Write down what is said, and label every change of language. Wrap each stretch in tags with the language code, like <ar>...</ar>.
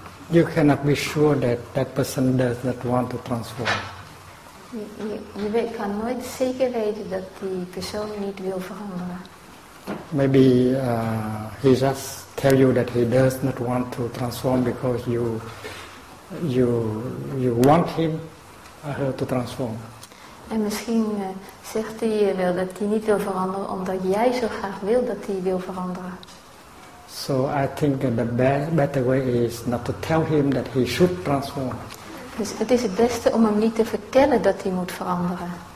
<en>You cannot be sure that that person does not want to transform.</en> <nl>Je kan nooit zeker weten dat die persoon niet wil veranderen.</nl> <en>Maybe he just tell you that he does not want to transform because you want him or her to transform.</en> <nl>En misschien zegt hij wel dat hij niet wil veranderen omdat jij zo graag wil dat hij wil veranderen.</nl> <en>So I think the better way is not to tell him that he should transform.</en> <nl>Dus het is het beste om hem niet te vertellen dat hij moet veranderen.</nl>